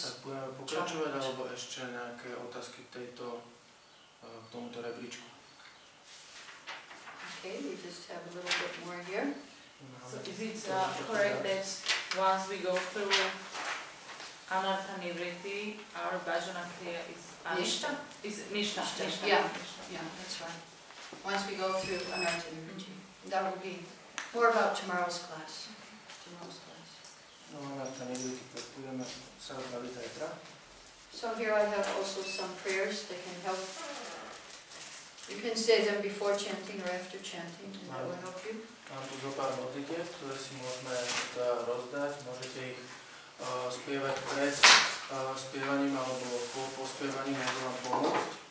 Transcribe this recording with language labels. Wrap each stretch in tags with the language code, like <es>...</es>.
<sk>Tak budeme pokračovať, alebo ešte nejaké otázky k tejto k tomuto rebríčku.</sk> <en>Okay, we just have a little bit more here. So is it correct that once we go through anartha nivriti, our bhajana kriya is nishta? Is nishta? Yeah, that's right. Once we go through anartha nivriti, that will be more about tomorrow's class. Tomorrow's class.</en> <sk>No, anartha nivriti, practujeme sa odbaviť zajtra.</sk> <en>So here I have also some prayers that can help. You can say them before chanting or after chanting, and that will help you.</en> <sk>Tu si môžeme rozdať. Môžete ich spievať pred spievaním alebo po spievaní, môžu vám pomôcť.</sk>